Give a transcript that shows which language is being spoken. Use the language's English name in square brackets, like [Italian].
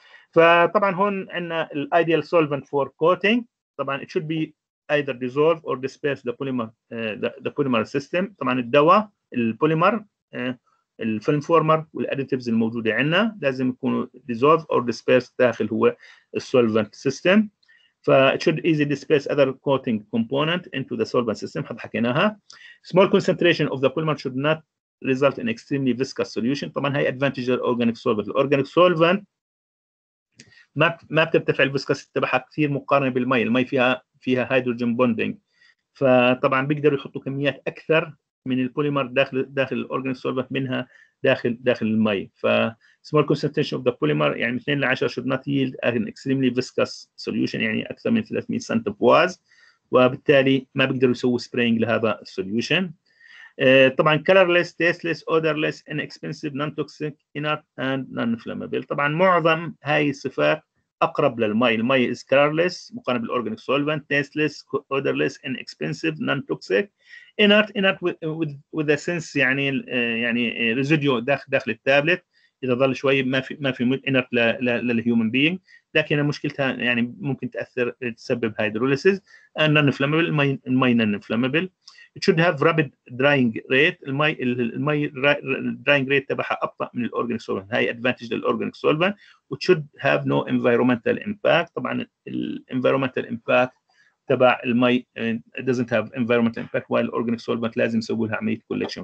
[Arabic] فطبعا هون عندنا [English] الايديال solvent for coating, طبعا it should be either dissolve or disperse the polymer the polymer system. [Arabic] طبعا الدواء البوليمر الفيلم فورمر والاديتيفز الموجوده عندنا لازم يكونوا [English] dissolve or disperse [Arabic] داخل هو السولفنت سيستم. [English] ف it should easily disperse other coating component into the solvent system. [Arabic] حد حكيناها. [English] Small concentration of the polymer should not result in extremely viscous solution. [Arabic] طبعا هاي advantage للorganic solvent. الorganic solvent ما بترتفع الفيسكاس تبعها كثير مقارنة بالمي. المي فيها hydrogen bonding. فطبعا بيقدروا يحطوا كميات أكثر من البوليمر داخل الorganic solvent منها داخل المي. ف [English] small concentration of the polymer [Arabic] يعني 2 ل 10 [English] should not yield an extremely viscous solution [Arabic] يعني اكثر من 300 سنتيبواز، وبالتالي ما بيقدروا يسووا سبرينج لهذا السوليوشن. [English] طبعا colorless, tasteless, odorless, inexpensive, non-toxic, inert and non-flammable. [Arabic] طبعا معظم هاي الصفات اقرب للمي. المي [English] is colorless [Arabic] مقارنه بالorganic solvent, [English] tasteless, odorless, inexpensive, non-toxic, inert with a sense [Arabic] يعني residue داخل التابلت اذا ظل شوي ما في inert للhuman being، لكن مشكلتها يعني ممكن تاثر تسبب hydrolysis. [English] and non-flammable, المي non-flammable. it should have rapid drying rate. [Arabic] المي drying rate تبعها ابطا من الorganic solvent. هاي advantage للorganic solvent. [English] it should have no environmental impact. [Arabic] طبعا الenvironmental impact تبع المي [English] doesn't have environmental impact while organic solvent [Arabic] لازم يسوي لها عملية collection.